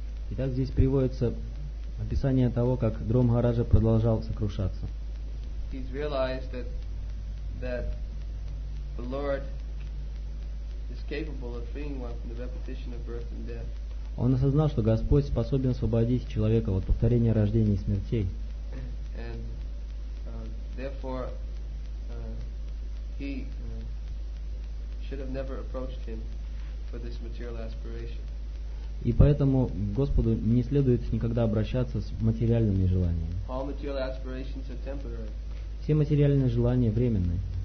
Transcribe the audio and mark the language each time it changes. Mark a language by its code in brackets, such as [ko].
[ru] Итак, здесь приводится описание того, как Дхрува Махараджа продолжал сокрушаться. [en] He's realized that the Lord is capable of freeing one from the repetition of birth and death. [ru] Он осознал, что Господь способен освободить человека от повторения рождения и смертей. [en] And therefore he should have never approached him for this material aspiration. [ru] И поэтому к Господу не следует никогда обращаться с материальными желаниями. [en] All material aspirations are temporary. [ru] Все материальные желания временные.